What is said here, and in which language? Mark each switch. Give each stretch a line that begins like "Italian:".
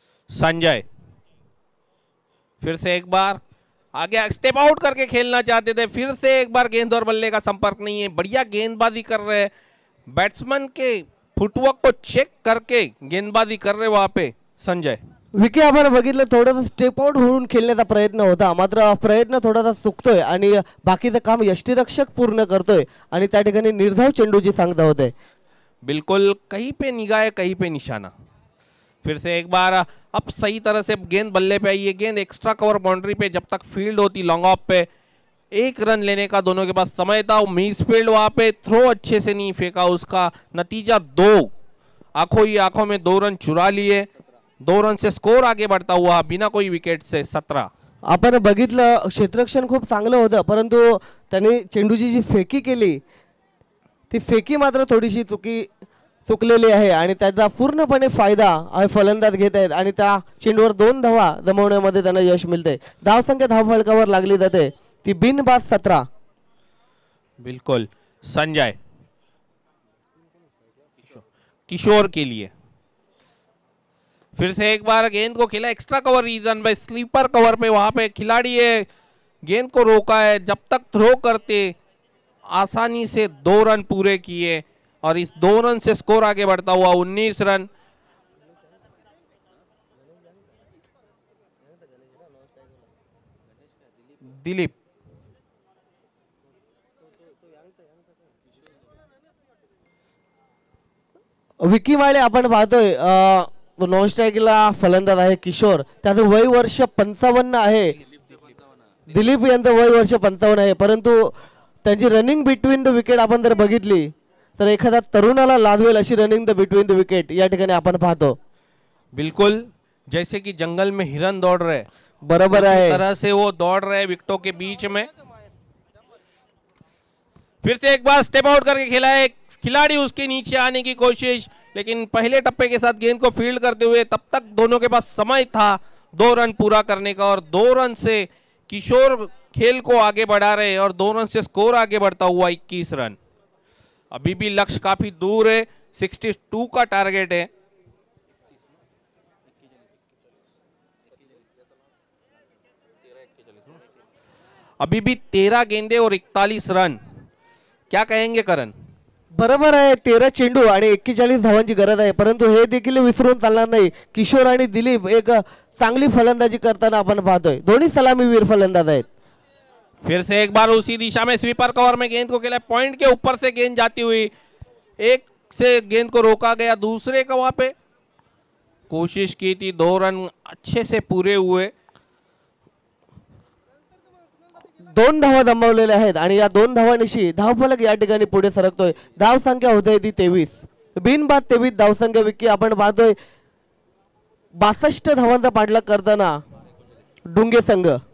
Hindi: संजय फिर से एक बार आगे स्टेप आउट करके खेलना चाहते थे, फिर से एक बार गेंद और बल्ले का संपर्क नहीं है। बढ़िया गेंदबाजी कर रहे हैं, बैट्समैन के फुटवर्क को चेक करके गेंदबाजी कर रहे वहां पे संजय।
Marathi: विकी आपण बघितलं थोडं स्टेप आउट होऊन खेळण्याचा प्रयत्न होता, मात्र प्रयत्न थोडासा चुकतोय आणि बाकीचं काम यष्टीरक्षक पूर्ण करतोय आणि त्या ठिकाणी निर्धाव चेंडू जी सांगत होते।
Hindi: बिल्कुल कहीं पे निगाह है कहीं पे निशाना। फिर से एक बार अब सही तरह से गेंद बल्ले पे आई है, गेंद एक्स्ट्रा कवर बाउंड्री पे जब तक फील्ड होती लॉन्ग ऑफ पे। एक रन लेने का दोनों के पास समय था, मिस फील्ड वहां पे थ्रो अच्छे से नहीं फेंका उसका, नतीजा दो, आंखों ही आंखों में दो रन चुरा लिए। दो रन से स्कोर आगे बढ़ता हुआ बिना कोई विकेट से 17।
Marathi: आपण बघितलं क्षेत्ररक्षण खूप चांगलं होतं, परंतु त्याने चेंडूची जी फेकी केली ती फेकी मात्र थोडीशी चुकलेली आहे आणि त्याचा पूर्णपणे फायदा फलंदाज घेत आहेत आणि त्या चेंडूवर दोन धावा जमवण्यामध्ये त्यांना यश मिळते। धावसंख्या धावफळकावर लागली जाते ती बिनबाद 17।
Hindi: बिल्कुल संजय किशोर के लिए फिर से एक बार गेंद को खेला एक्स्ट्रा कवर रीजन पे, स्लीपर कवर पे वहां पे खिलाड़ी है गेंद को रोका है, जब तक थ्रो करते आसानी से दो रन पूरे किए और इस दो रन से स्कोर आगे बढ़ता हुआ 19 रन। दिलीप
Marathi: विकी वाले आपण पाहतोय नॉन स्ट्राइकला फलंदाज आहे किशोर, त्याचं वय वर्ष 55 आहे। दिलीप यांचं वय वर्ष 55 आहे, परंतु त्यांची रनिंग बिटवीन द विकेट आपण जर बघितली तर एखाद्या तरुणाला लाजवेल अशी running the between the wicket या ठिकाणी आपण पाहतो।
Hindi: बिल्कुल जैसे की जंगल में हिरण दौड़ रहे,
Marathi: बरोबर आहे
Hindi: तरह से वो दौड़ रहे विकेटों के बीच में। फिर से एक बार स्टेप आउट करके खेला है खिलाड़ी उसके नीचे आने की कोशिश, लेकिन पहले टप्पे के साथ गेंद को फील्ड करते हुए तब तक दोनों के पास समय था दो रन पूरा करने का, और दो रन से किशोर खेल को आगे बढ़ा रहे और दो रन से स्कोर आगे बढ़ता हुआ 21 रन। अभी भी लक्ष्य काफी दूर है, 62 का टारगेट है। अभी भी 13 गेंदे और 41 रन, क्या कहेंगे करण?
Marathi: बरोबर आहे, 13 चेंडू आणि 41 धावांची गरज आहे, परंतु हे देखील विसरून चालणार नाही किशोर आणि दिलीप एक चांगली फलंदाजी करताना आपण पाहतोय, दोन्ही सलामीवीर फलंदाज आहेत।
Hindi: फिर से एक बार उसी दिशा में स्वीपर कवर में गेंद को खेला, पॉइंट के ऊपर से गेंद जाती हुई, एक से गेंद को रोका गया दूसरे का वहां पे कोशिश की थी, दो रन अच्छे से पूरे हुए।
Marathi: दोन धावा जमवलेल्या आहेत आणि या दोन धावांनीशी धावफलक या ठिकाणी पुढे सरकतोय। धाव संख्या होते ती 23, बिनबाद 23 धाव संख्या विकी आपण पाहतोय 62 धावांचा पाठलाग करताना डुंगे संघ।